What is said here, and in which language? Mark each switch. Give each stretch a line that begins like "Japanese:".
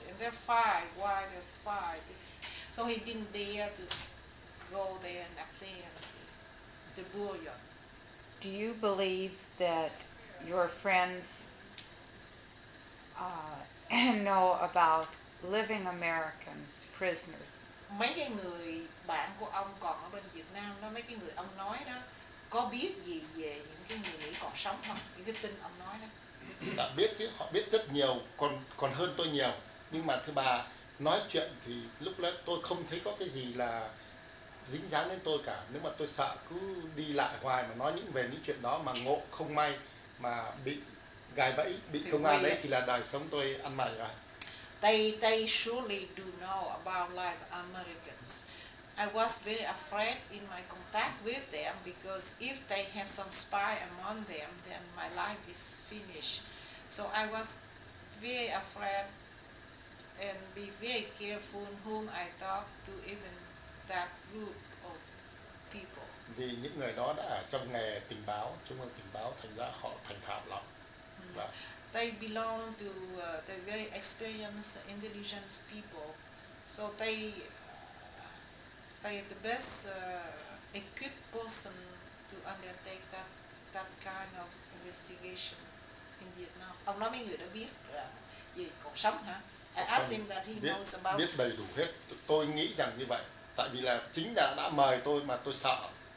English: And there are 5, why there's 5? So he didn't dare to go there and attend the burial. Do you believe that your friends know about living American prisoners?
Vietnamese: Mấy cái người bạn của ông còn ở bên Việt Nam đó, mấy cái người ông nói đó, có biết gì về những cái người Mỹ còn sống không? Những cái tin ông nói đó. Đã biết chứ, họ biết rất nhiều, còn hơn tôi nhiều. Nhưng mà thưa bà, nói chuyện thì lúc đó tôi không thấy có cái gì là dính dáng đến tôi cả. Nếu mà tôi sợ cứ đi lại hoài mà nói những về những chuyện đó mà ngộ không may mà bị gài bẫy, bị thì công an đấy, thì là đời sống tôi ăn mày rồi.
English: They surely do know about live Americans. I was very afraid in my contact with them because if they have some spy among them, then my life is finished. So I was very afraid and be very careful whom I talk to, even that group of people.
Vietnamese: Vì những người đó đã ở trong nghề tình báo, trung tâm tình báo, thành ra họ thành thạo lắm.
English: They belong to the very experienced intelligence people, so they are the best equipped person to undertake that kind of investigation in Vietnam.
Vietnamese: Ông nói mấy người đã biết là gì còn sống hả?
English: I asked him that he
Vietnamese: biết,
English: knows about.
Vietnamese: Biết đầy đủ hết. Tôi nghĩ rằng như vậy, tại vì là chính đã mời tôi mà tôi sợ.